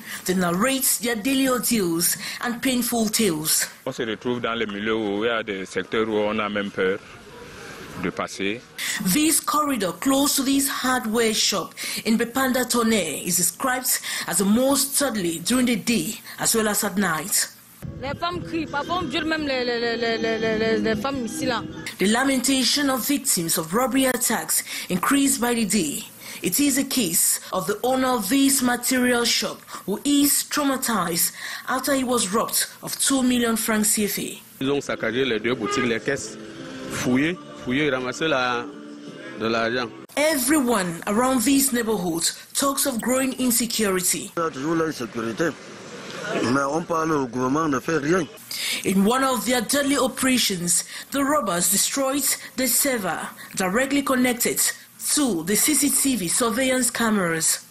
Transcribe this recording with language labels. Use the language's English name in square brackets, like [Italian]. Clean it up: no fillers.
[English] They narrate their daily ordeals and painful tales. [French] On se retrouve dans le milieu où il y a des secteurs où on a même peur de passer. [English] This corridor close to this hardware shop in Bepanda Tone is described as the most deadly during the day as well as at night. The lamentation of victims of robbery attacks increased by the day. It is a case of the owner of this material shop who is traumatized after he was robbed of 2 million francs CFA. [French] Ils ont saccagé les deux boutiques, les caisses, fouillé, ramassé de l'argent. [English] Everyone around this neighborhood talks of growing insecurity. In one of their deadly operations, the robbers destroyed the server directly connected to the CCTV surveillance cameras.